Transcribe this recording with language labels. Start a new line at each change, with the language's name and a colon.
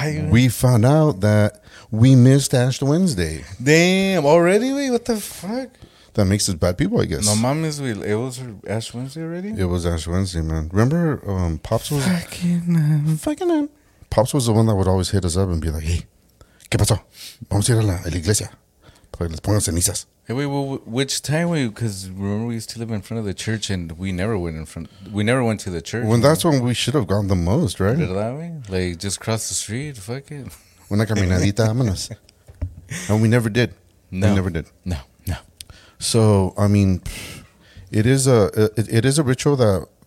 English: We found out that we missed Ash Wednesday. Damn, already, Wei? What the fuck? That makes us bad people, I guess.
Spanish: No mames, Wei.
English: It was Ash Wednesday already? It was Ash Wednesday, man. Remember Pops was... Fucking him. Pops was the one that would always hit us up and be like, hey...
Spanish: ¿Qué pasó? Vamos a ir a la iglesia para que les pongan cenizas.
English: Hey, wait, well, which time were you? Because remember we used to live in front of the church and we never went to the church. Well, that's when we should have gone the most, right?
Spanish: ¿Verdad, we?
English: Like, just cross the street, fuck it.
Spanish: Una caminadita, vámonos.
English: And we never did. No. We never did. No. So, I mean, it is a ritual that...